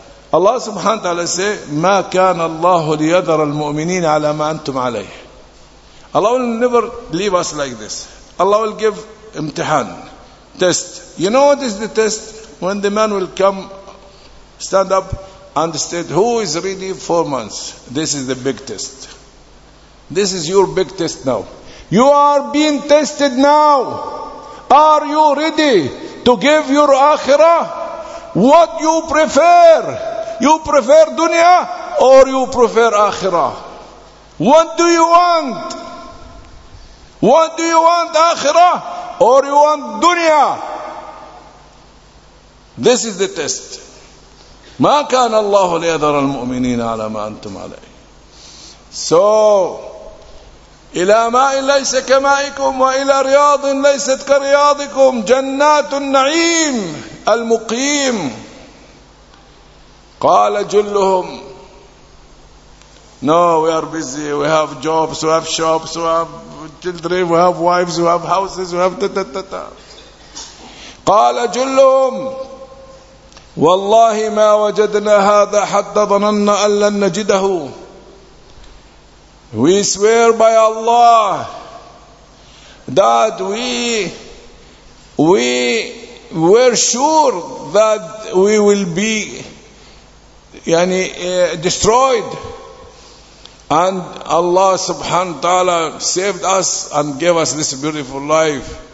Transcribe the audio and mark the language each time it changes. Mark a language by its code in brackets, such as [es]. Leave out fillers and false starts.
[en] Allah subhanahu wa ta'ala say, [ar] مَا كَانَ اللَّهُ لِيَذَرَ الْمُؤْمِنِينَ عَلَى مَا أَنْتُمْ عَلَيْهِ. [en] Allah will never leave us like this. Allah will give imtihan, test. You know what is the test? When the man will come, stand up and state, who is ready 4 months? This is the big test. This is your big test now. You are being tested now. Are you ready to give your akhirah? What you prefer? You prefer dunya or you prefer akhirah? What do you want? What do you want, akhirah or you want dunya? This is the test. [ar] مَا كَانَ اللَّهُ لِيَذَرَ الْمُؤْمِنِينَ عَلَى مَا أَنْتُمْ عَلَيْهِ. So, إلى ماء ليس كمائكم وإلى رياض ليست كرياضكم. جنات النعيم المقيم. قال جلهم, [en] no, we are busy, we have jobs, we have shops, we have children, we have wives, we have houses, we have ta-ta-ta-ta. [ar] قال جلهم, والله ما وجدنا هذا حتى ظننا أن لن نجده. [en] We swear by Allah that we were sure that we will be destroyed, and Allah subhanahu wa ta'ala saved us and gave us this beautiful life.